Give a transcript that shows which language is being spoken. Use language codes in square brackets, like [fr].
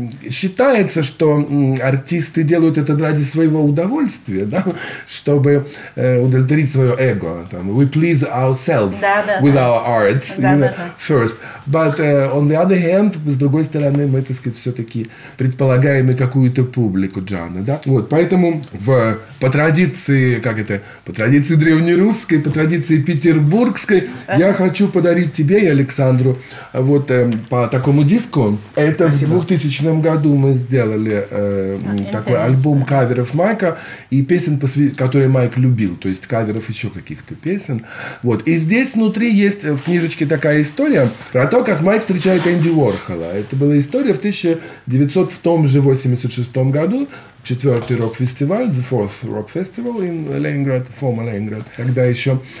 [ru] Считается, что артисты делают это ради своего удовольствия, да? Чтобы удовлетворить свое эго. [en] Там, we please ourselves with our art first. But on the other hand, [ru] с другой стороны, мы, так сказать, все-таки предполагаем и какую-то публику, Джана, да? Вот, поэтому по традиции, как это, по традиции древнерусской, по традиции петербургской, я хочу подарить тебе и Александру вот по такому диску. Это спасибо. В 2000 году мы сделали такой интересно. Альбом каверов Майка и песен, которые Майк любил, то есть каверов еще каких-то песен. Вот. И здесь внутри есть в книжечке такая история про то, как Майк встречает Энди Уорхола. Это была история в 1986 году. Четвертый рок-фестиваль, [en] the fourth rock festival in Leningrad, former Leningrad, [ru] тогда еще.